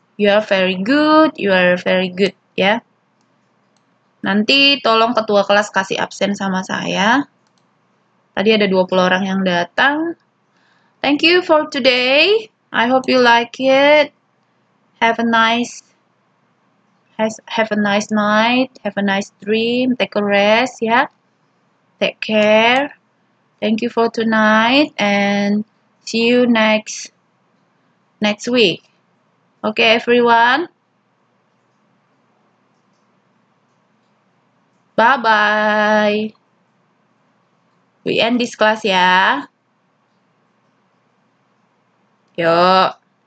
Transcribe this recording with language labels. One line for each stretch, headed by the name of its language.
English: You are very good, you are very good, ya.
Indonesian: Nanti tolong ketua kelas kasih absen sama saya. Tadi ada 20 orang yang datang.
English: Thank you for today. I hope you like it. Have a nice night, have a nice dream, take a rest, take care, thank you for tonight, and see you next week, okay everyone, bye bye, we end this class, yuk.